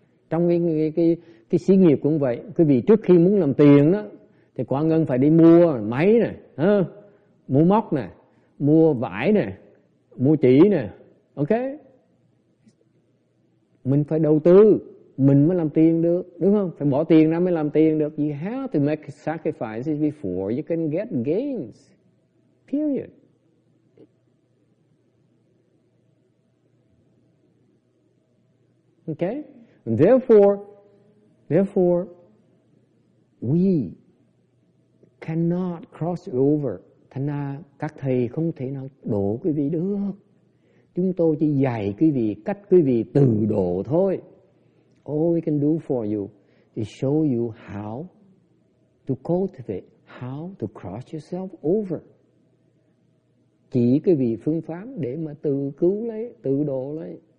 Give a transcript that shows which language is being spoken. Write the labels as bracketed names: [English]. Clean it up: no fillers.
[Vietnamese] Trong cái xí nghiệp cũng vậy. Quý vị trước khi muốn làm tiền đó, thì quả ngân phải đi mua máy nè, mua móc nè, mua vải nè, mua chỉ nè, ok? Mình phải đầu tư, mình mới làm tiền được, đúng không? Phải bỏ tiền ra mới làm tiền được. [English] You have to make sacrifices before you can get gains. Period. Okay? And therefore, we cannot cross over. [Vietnamese] Thành ra các thầy không thể nào đổ quý vị được. Chúng tôi chỉ dạy quý vị cách quý vị từ độ thôi. [English] All we can do for you is show you how to cultivate, how to cross yourself over. [Vietnamese] Chỉ quý vị phương pháp để mà tự cứu lấy, tự độ lấy.